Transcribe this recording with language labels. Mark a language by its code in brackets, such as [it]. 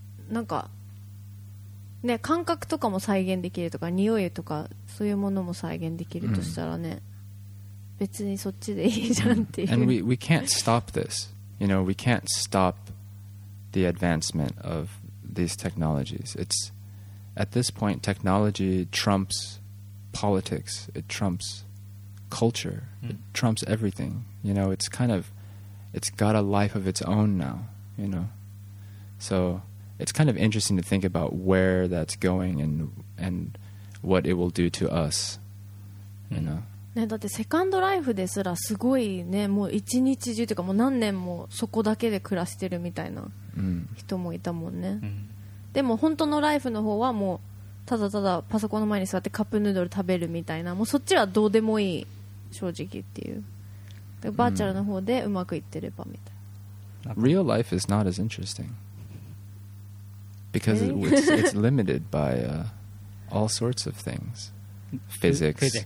[ja] なんかね、感覚とかも再現できるとか、匂いとかそういうものも再現できるとしたらね、別にそっちでいいじゃんっていう。 [en] And we can't stop this. You know, we can't stop the advancement of these technologies. It's at this point, technology trumps politics. It trumps culture. It trumps everything. You know, it's kind of, it's got a life of its own now, you know. So it's kind of interesting to think about where that's going and what it will do to us, you know. [ja] ね、だってセカンドライフですらすごいね、もう一日中というかもう何年もそこだけで暮らしてるみたいな人もいたもんね。でも本当のライフの方はもうただただパソコンの前に座ってカップヌードル食べるみたいな、もうそっちはどうでもいい正直っていう。バーチャルの方でうまくいってればみたいな。 [en] Real life is not as interesting because it's limited by all sorts of things, physics.